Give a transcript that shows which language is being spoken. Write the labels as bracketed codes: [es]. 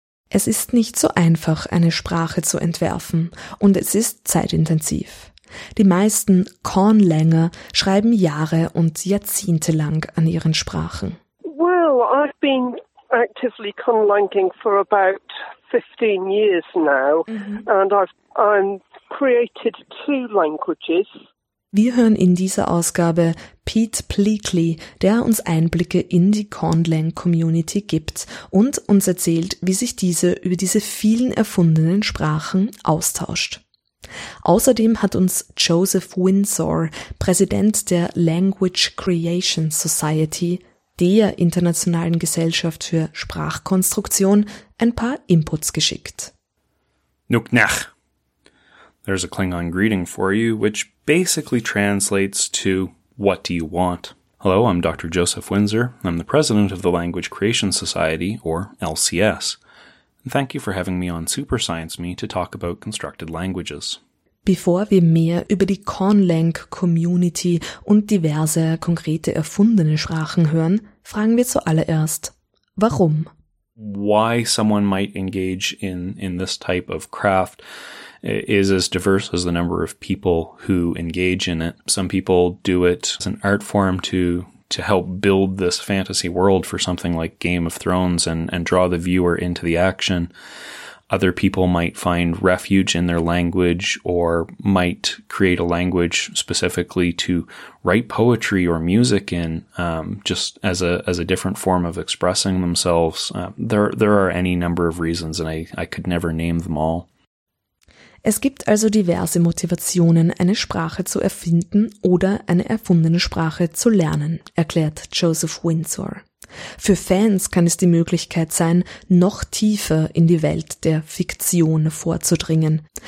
[de] Es ist nicht so einfach, eine Sprache zu entwerfen, und es ist zeitintensiv. Die meisten Conlanger schreiben Jahre und Jahrzehnte lang an ihren Sprachen. [en] Well, I've been actively conlanging for about 15 years now, and I've created two languages. [de] Wir hören in dieser Ausgabe Pete Pleakley, der uns Einblicke in die Conlang-Community gibt und uns erzählt, wie sich diese über diese vielen erfundenen Sprachen austauscht. Außerdem hat uns Joseph Winsor, Präsident der Language Creation Society, der Internationalen Gesellschaft für Sprachkonstruktion, ein paar Inputs geschickt. [tlh] Nuknach. [en] There's a Klingon greeting for you, which basically translates to, what do you want? Hello, I'm Dr. Joseph Winsor. I'm the president of the Language Creation Society, or LCS. And thank you for having me on Super Science Me to talk about constructed languages. [de] Bevor wir mehr über die Conlang-Community und diverse konkrete erfundene Sprachen hören, fragen wir zuallererst, warum? [en] Why someone might engage in this type of craft is as diverse as the number of people who engage in it. Some people do it as an art form to help build this fantasy world for something like Game of Thrones and draw the viewer into the action. Other people might find refuge in their language or might create a language specifically to write poetry or music in, just as a different form of expressing themselves. There are any number of reasons, and I could never name them all. [de] Es gibt also diverse Motivationen, eine Sprache zu erfinden oder eine erfundene Sprache zu lernen, erklärt Joseph Winsor. Für Fans kann es die Möglichkeit sein, noch tiefer in die Welt der Fiktion vorzudringen.